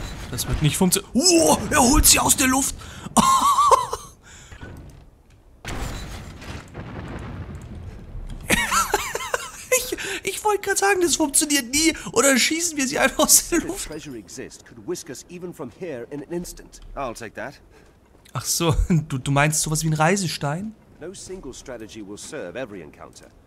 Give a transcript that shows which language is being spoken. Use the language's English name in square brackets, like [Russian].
[German] Das wird nicht funktionieren. Er holt sie aus der Luft. ich wollte gerade sagen, das funktioniert nie. Oder schießen wir sie einfach aus der Luft? [English] Treasure exists, could whisk us even from here in an instant. I'll take that. [German] Ach so, du meinst sowas wie ein Reisestein? [English] No single strategy will serve every encounter.